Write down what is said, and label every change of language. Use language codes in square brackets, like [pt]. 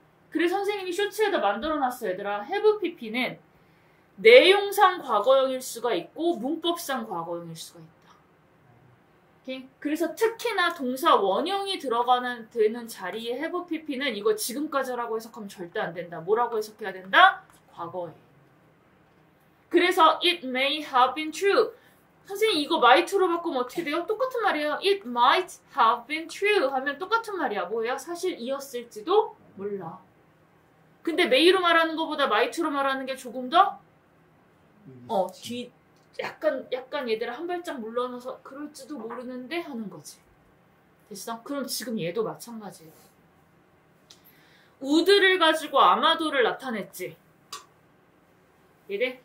[ko] 그래서 선생님이 쇼츠에다 만들어놨어, 얘들아. have pp는 내용상 과거형일 수가 있고 문법상 과거형일 수가 있다. 그래서 특히나 동사 원형이 들어가는 되는 자리에 have pp는 이거 지금까지라고 해석하면 절대 안 된다. 뭐라고 해석해야 된다? 과거에. 그래서 [en] it may have been true. [ko] 선생님 이거 might로 바꾸면 어떻게 돼요? 똑같은 말이에요. [en] it might have been true [ko] 하면 똑같은 말이야. 뭐예요? 사실이었을지도 몰라. 근데 may로 말하는 것보다 might로 말하는 게 조금 더 약간 얘들아 한 발짝 물러나서 그럴지도 모르는데 하는 거지. 됐어? 그럼 지금 얘도 마찬가지예요. 우드를 가지고 아마도를 나타냈지. 얘네?